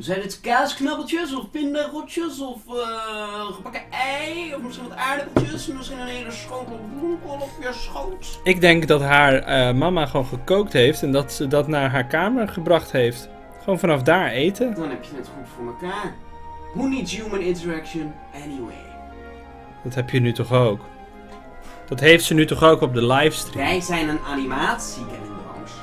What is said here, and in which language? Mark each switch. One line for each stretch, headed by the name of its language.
Dutch: Zijn het kaasknabbeltjes of pindarotjes of gebakken ei? Of misschien wat aardappeltjes? Misschien een hele schotel bloemkool op je schoot? Ik denk dat haar mama gewoon gekookt heeft en dat ze dat naar haar kamer gebracht heeft. Gewoon vanaf daar eten. Dan heb je het goed voor elkaar.
English: Who needs human interaction anyway?
Dutch: Dat heb je nu toch ook? Dat heeft ze nu toch ook op de livestream? Wij zijn een animatie, Kevin Brooks.